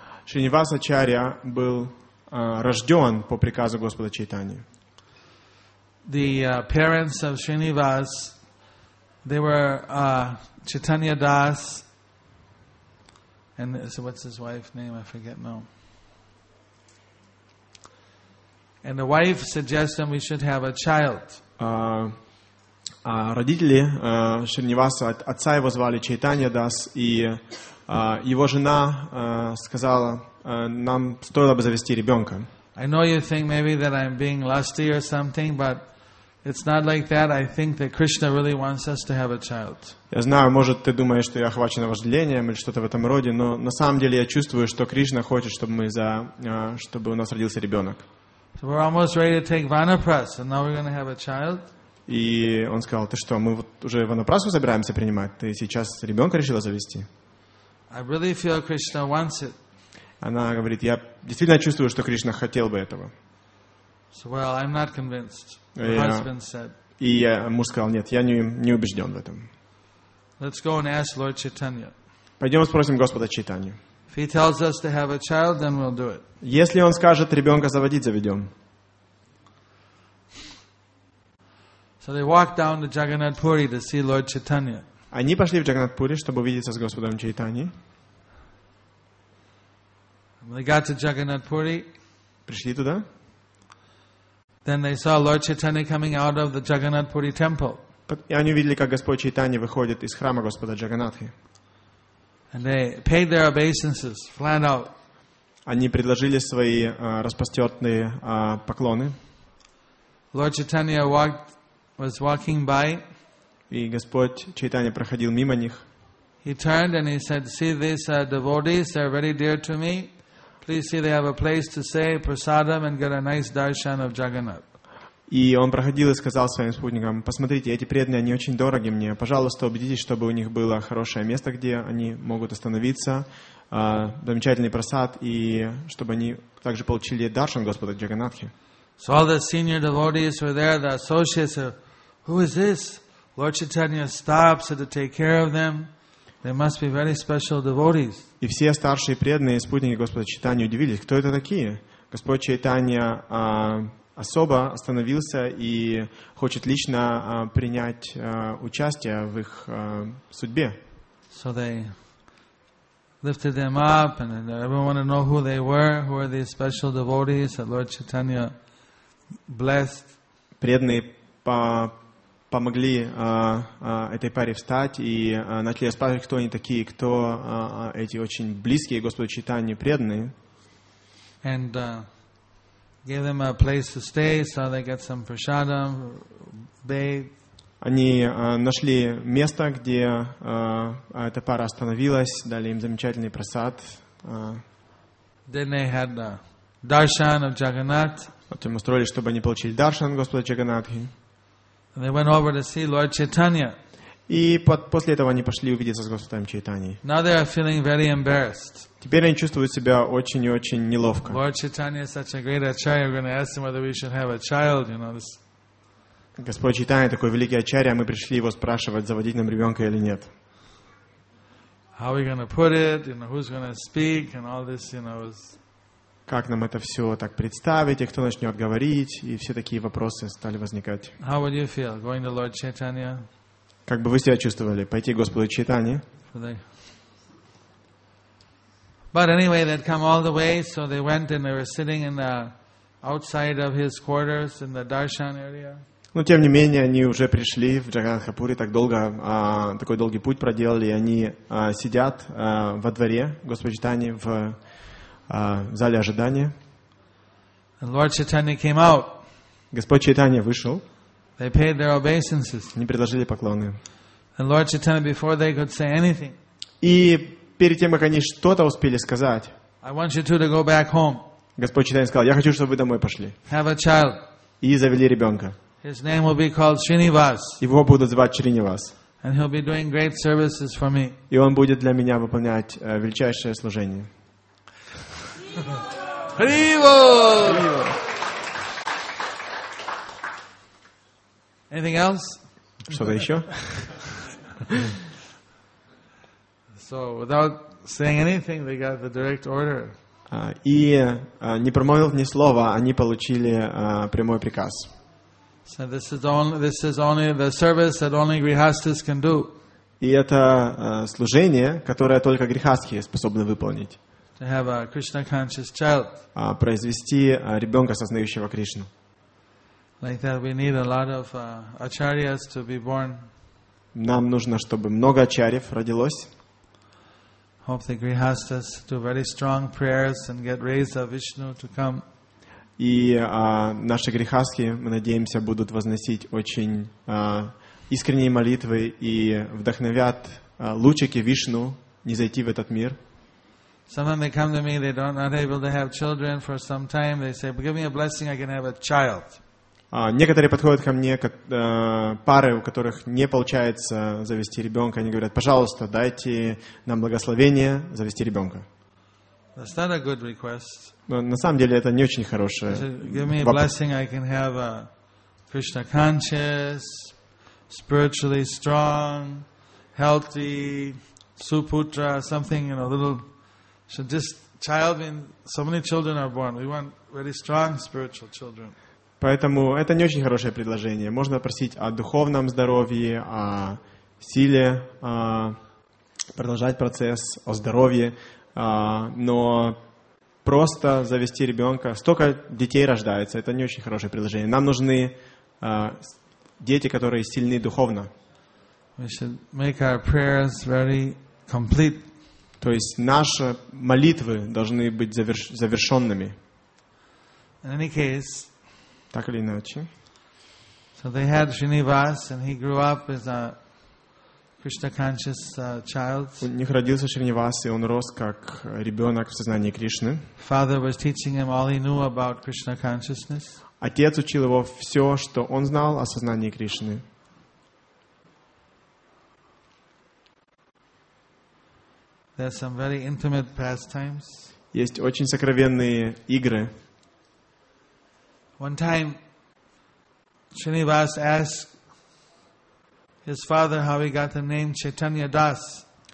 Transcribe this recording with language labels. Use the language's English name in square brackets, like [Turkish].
[Russian] Srinivas Acharya был рожден по приказу Господа Чайтаньи. [English] The parents of Srinivas, they were Chaitanya Das. And so what's his wife's name? I forget now. And the wife suggests that we should have a child. [Russian] Родители Шринивасу, отца его звали Чайтанья Дас, и его жена сказала, нам стоило бы завести ребенка. [English] I know you think maybe that I'm being lusty or something, but it's not like that. I think that Krishna really wants us to have a child. [Russian] Я знаю, может, ты думаешь, что я охвачен вожделением или что-то в этом роде, но на самом деле я чувствую, что Кришна хочет, чтобы у нас родился ребенок. [English] So we're almost ready to take vanapras, and now we're going to have a child. [Russian] И он сказал, ты что, мы вот уже ванапрасу собираемся принимать? Ты сейчас ребенка решила завести? [English] I really feel Krishna wants it. [Russian] Она говорит, я действительно чувствую, что Кришна хотел бы этого. [English] Well, I'm not convinced. Her husband said. [Russian] И муж сказал, нет, я не убежден в этом. [English] Let's go and ask Lord Chaitanya. [Russian] Пойдем спросим Господа Чайтанью. [English] If he tells us to have a child, then we'll do it. [Russian] Если он скажет ребенка заводить, заведем. [English] So they walked down to Jagannath Puri to see Lord Chaitanya. [Russian] Они пошли в Jagannath Puri, чтобы увидеться с Господом Чайтаньей. [English] When they got to Jagannath Puri, [Russian] пришли туда. [English] Then they saw Lord Chaitanya coming out of the Jagannath Puri temple. [Russian] И они увидели, как Господь Чайтанья выходит из храма Господа Джаганатхи. [English] And they paid their obeisances flat out. [Russian] Они предложили свои распростертые поклоны. [English] Lord Chaitanya was walking by. [Russian] И Господь Чайтанья проходил мимо них. [English] He turned and he said, "See these devotees? They're very dear to me. Please see they have a place to stay, prasadam, and get a nice darshan of Jagannath." [Russian] И он проходил и сказал своим спутникам, посмотрите, эти преданные, они очень дороги мне. Пожалуйста, убедитесь, чтобы у них было хорошее место, где они могут остановиться, замечательный прасад, и чтобы они также получили даршан Господа Джаганатхи. [English] So all the senior devotees were there, the associates said, who is this? Lord Chaitanya stopped, said to take care of them. They must be very special devotees. [Russian] И все старшие преданные спутники Господа Чайтаньи удивились, кто это такие? Господь Чайтанья особо остановился и хочет лично принять участие в их судьбе. [English] So they lifted them up, and everyone wanted to know who they were, who are these special devotees that Lord Chaitanya blessed. [Russian] Преданные помогли этой паре встать и начали спрашивать, кто они такие, кто эти очень близкие Господу Чайтанье преданные. [English] And gave them a place to stay, so they get some prasadam, bathe. [Russian] Они нашли место, где эта пара остановилась, дали им замечательный прасад. [English] Then they had the darshan of Jagannath. [Russian] Потом устроили, чтобы они получили даршан Господа Джаганатхи. [English] And they went over to see Lord Chaitanya. [Russian] И после этого они пошли увидеться с Господом Чайтаньей. [English] Now they are feeling very embarrassed. [Russian] Теперь они чувствуют себя очень и очень неловко. [English] Lord Chaitanya is such a great acharya. We're going to ask him whether we should have a child. You know this. [Russian] Господь Чайтанья такой великий ачарья, мы пришли его спрашивать, заводить нам ребенка или нет. [English] How are we going to put it? You know, who's going to speak and all this? You know. [Russian] Как нам это все так представить, и кто начнет говорить, и все такие вопросы стали возникать. [English] How would you feel going to Lord Chaitanya? [Russian] Как бы вы себя чувствовали, пойти к Господу Чайтанье? [English] But anyway, they'd come all the way, so they went and they were sitting in the outside of his quarters in the darshan area. [Russian] Но тем не менее, они уже пришли в Джаганатхапури, так долго, такой долгий путь проделали, и они сидят во дворе Господа Чайтанье в зале ожидания. [English] And Lord Chaitanya came out. [Russian] Господь Чайтанья вышел. [English] They paid their obeisances. [Russian] Они предложили поклоны. [English] And Lord Chaitanya, before they could say anything. [Russian] И перед тем, как они что-то успели сказать. [English] I want you two to go back home. [Russian] Господь Чайтанья сказал: Я хочу, чтобы вы домой пошли. [English] Have a child. [Russian] И завели ребенка. [English] His name will be called Srinivas. [Russian] Его будут звать Шринивас. [English] And he'll be doing great services for me. [Russian] И он будет для меня выполнять величайшее служение. Хриво! [English] Anything else? [Russian] Что-то еще? [English] So without saying anything, they got the direct order. [Russian] И не промолвив ни слова, они получили прямой приказ. [English] So this is only the service that only grihasthas can do. [Russian] И это служение, которое только грихастхи способны выполнить. [English] To have a Krishna conscious child. [Russian] Произвести ребенка, сознающего Кришну. [English] Like that, we need a lot of acharyas to be born. [Russian] Нам нужно, чтобы много ачарьев родилось. [English] Hope the grihasthas do very strong prayers and get rays of Vishnu to come. [Russian] И наши грихасхи, мы надеемся, будут возносить очень искренние молитвы и вдохновят лучики Вишну не зайти в этот мир. [English] Sometimes they come to me, they don't not able to have children for some time. They say, "Give me a blessing, I can have a child." [Russian] Некоторые подходят ко мне, пары, у которых не получается завести ребенка, они говорят, пожалуйста, дайте нам благословение завести ребенка. [English] That's not a good request. [Russian] Но на самом деле это не очень хорошее. [English] Give me a blessing, I can have a Krishna conscious, spiritually strong, healthy, suputra, something, you know, little, so just child, so many children are born. We want really strong spiritual children. [Russian] Поэтому это не очень хорошее предложение. Можно просить о духовном здоровье, о силе, продолжать процесс, о здоровье, но просто завести ребенка. Столько детей рождается, это не очень хорошее предложение. Нам нужны дети, которые сильны духовно. [English] We should make our prayers very complete. [Russian] То есть наши молитвы должны быть завершенными. [English] In any case, [Russian] так или иначе. [English] So they had Srinivas, and he grew up as a Krishna conscious child. [Russian] У них родился Шринивас, и он рос как ребенок в сознании Кришны. [English] Father was teaching him all he knew about Krishna consciousness. [Russian] Отец учил его все, что он знал о сознании Кришны. [English] There are some very intimate pastimes. [Russian] Есть очень сокровенные игры. [English] One time, Srinivas asked his father how he got the name Chaitanya Das.